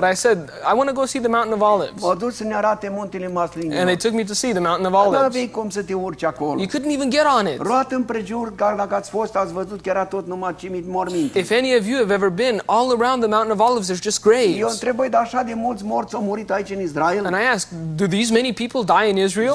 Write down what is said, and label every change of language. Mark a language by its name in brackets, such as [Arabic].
[English] But I said, I want to go see the Mountain of Olives. [Romanian] M-au dus să ne arate muntele maslinilor. [English] And they took me to see the Mountain of Olives. [Romanian] N-aveai cum să te urci acolo. [English] You couldn't even get on it. [Romanian] Roat împrejur, că dacă ați fost, ați văzut că era tot numai cimit morminte. [English] If any of you have ever been, all around the Mountain of Olives, there's just graves. [Romanian] Eu întrebai, dar așa de mulți morți au murit aici în Israel? [English] And I asked, do these many people die in Israel?